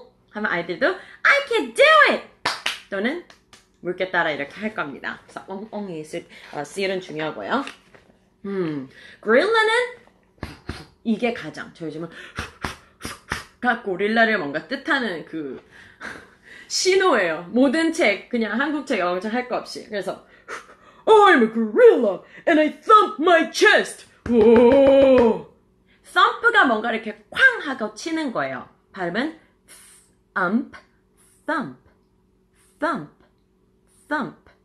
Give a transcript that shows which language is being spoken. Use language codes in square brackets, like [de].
[ko] 하면 아이들도 [en] I can do it! [ko] 또는 물개 따라 이렇게 할 겁니다. 그래서 엉엉이 있을 seal은 중요하고요. Gorilla는 이게 가장 저희 집은 고릴라를 뭔가 뜻하는 그 신호예요. 모든 책, 그냥 한국 책, 영어 책할거 없이. 그래서 [en] I'm a gorilla and I thump my chest. 오! [ko] thump가 뭔가 이렇게 쾅 하고 치는 거예요. 발음은 [en] thump, thump, thump, thump.